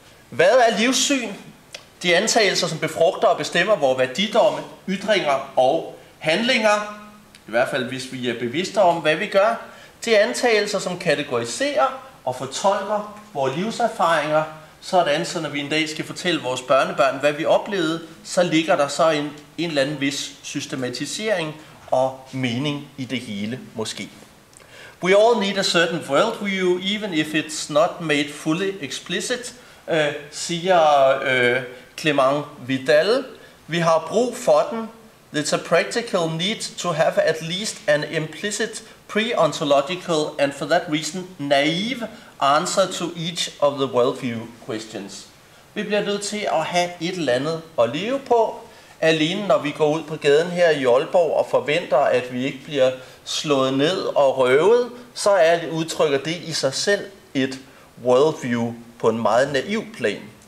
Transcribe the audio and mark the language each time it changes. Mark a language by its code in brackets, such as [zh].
[da] Hvad er livssyn? De antagelser, som befrugter og bestemmer vores værdidomme, ytringer og handlinger, i hvert fald hvis vi er bevidste om, hvad vi gør, de antagelser, som kategoriserer og fortolker vores livserfaringer, sådan, så når vi en dag skal fortælle vores børnebørn, hvad vi oplevede, så ligger der så en eller anden vis systematisering og mening i det hele, måske. [en] We all need a certain worldview, even if it's not made fully explicit, [da] siger Clément Vidal. Vi har brug for den. [en] It's a practical need to have at least an implicit pre-ontological and for that reason naive answer to each of the worldview questions. [da] Vi bliver nødt til at have et eller andet at leve på, alene når vi går ud på gaden her i Aalborg og forventer, at vi ikke bliver slået ned og røvet, så er det, udtrykker det i sig selv et worldview på en meget naiv plan.